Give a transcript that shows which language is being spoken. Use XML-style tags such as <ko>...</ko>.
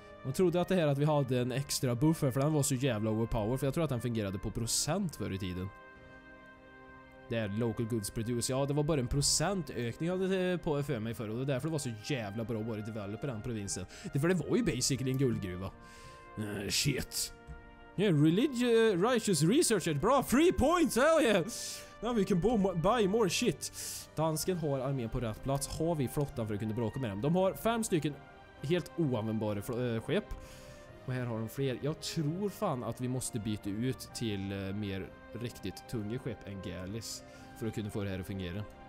<sv>Man trodde att det här att vi hade en extra buffer för den var så jävla overpower, för jag tror att den fungerade på procent förr i tiden. Det är</sv> <en>local goods produced.</en> <sv>Ja, det var bara en procent ökning hade på för mig förr. Och det är därför det var så jävla bra att vara developer i den provinsen. Det är för det var ju basically en guldgruva. Shit.</sv> <en>Yeah, religious righteous researcher. Bra, 3 points. Hell yeah. Now we can buy more shit.</en> <sv>Dansken har armén på rätt plats. Har vi flottan för att kunna bråka med dem? De har 5 stycken helt oanvändbara skepp. Och här har de fler. Jag tror fan att vi måste byta ut till mer riktigt tunga skepp än Galis för att kunna få det här att fungera.</sv>